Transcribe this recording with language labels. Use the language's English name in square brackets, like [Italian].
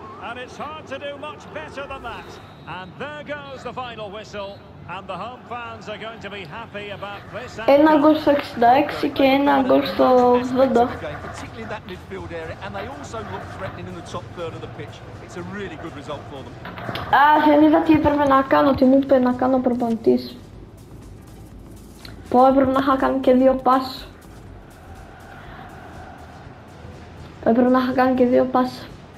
[English] And it's hard to do much better than that. And there goes the final whistle. And the home fans are going to be happy about this. [Greek] Ένα γκολ στο 66 και ένα γκολ στο 80. [English] Particularly that midfield area, and they also look threatening in the top third of the pitch. It's a really good result for them. [Greek] Δεν είδα τι έπρεπε να κάνω, τι μου είπε να κάνω προπονητής. Πω, έπρεπε να είχα κάνει και δύο πας. Έπρεπε να είχα κάνει και δύο πας.